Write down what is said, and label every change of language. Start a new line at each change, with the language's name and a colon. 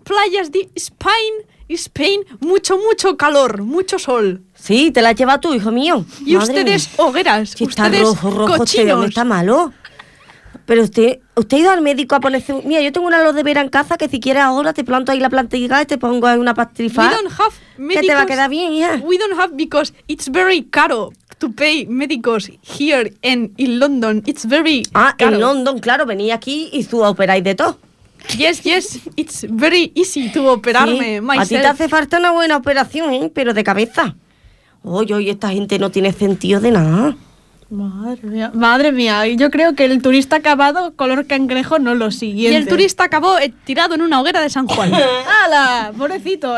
Spanish: Playas de Spain, mucho calor, mucho sol. Sí, te la lleva tú, hijo mío. Y ustedes hogueras, si ustedes rojo, cochinos. Usted está malo. Pero usted ha ido al médico a ponerse... Mira, yo tengo una aloe de vera en casa que si quieres ahora te planto ahí la plantilla y te pongo ahí una pastrifa.
English: We don't have medicos...
Spanish: Que te va a quedar bien, ya.
English: We don't have because it's very caro to pay medicos here in London. It's very caro.
Spanish: Ah, en London, claro, venía aquí y tú operáis de todo.
English: Yes, yes, it's very easy to
Spanish: operarme, sí,
English: myself.
Spanish: A ti te hace falta una buena operación, ¿eh? Pero de cabeza. Oye, oye, esta gente no tiene sentido de nada. Madre mía, yo creo que el turista acabado color cangrejo no lo siguiente. Y el turista acabó tirado en una hoguera de San Juan. ¡Hala! Pobrecito.